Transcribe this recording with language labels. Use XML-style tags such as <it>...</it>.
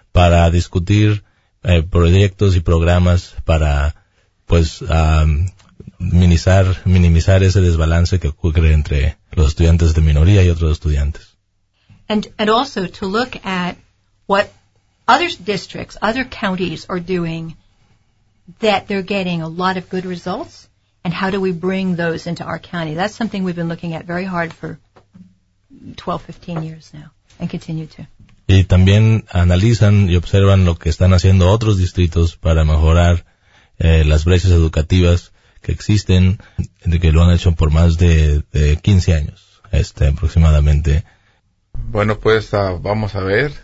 <es>Para discutir proyectos y programas para minimizar ese desbalance que ocurre entre los estudiantes de minoría y otros estudiantes.</es> <en>And also to look at what other districts, other counties are doing, that they're getting a lot of good results, and how do we bring those into our county? That's something we've been looking at very hard for 12, 15 years now, and continue to.</en> <es>Y también analizan y observan lo que están haciendo otros distritos para mejorar las brechas educativas que existen, que lo han hecho por más de 15 años, aproximadamente. Bueno, pues vamos a ver.</es>